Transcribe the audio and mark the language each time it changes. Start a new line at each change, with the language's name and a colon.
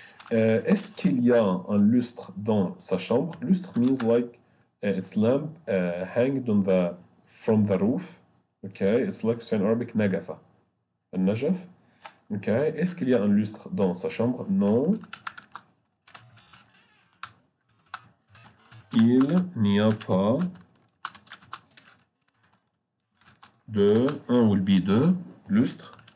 French: Est-ce qu'il y a un lustre dans sa chambre?
English: Lustre means like it's lamp hanged on the from the roof. Okay, it's like say in Arabic nagafa. Najaf.
French: Ok, est-ce qu'il y a un lustre dans sa chambre? Non. Il n'y a pas de, un
English: will be
French: deux, lustre.